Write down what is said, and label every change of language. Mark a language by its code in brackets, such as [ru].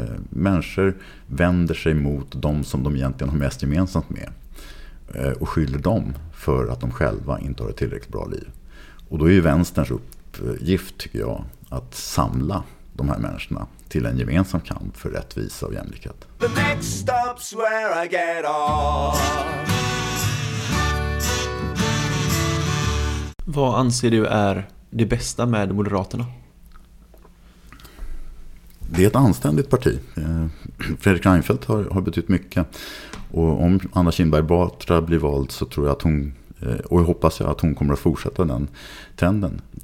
[sv] Människor vänder sig mot de som de egentligen har mest gemensamt med och skyller dem för att de själva inte har ett tillräckligt bra liv. Och då är ju vänsterns uppgift, tycker jag, att samla de här människorna till en gemensam kamp för rättvisa och jämlikhet. [en] The next stop's where I get off. [sv] Vad anser du är det bästa med Moderaterna? Det är ett anständigt parti. Fredrik Reinfeldt har betytt mycket. Och om Anna Kinberg Batra blir vald så tror jag att hon, och jag hoppas jag att hon kommer att fortsätta den trenden.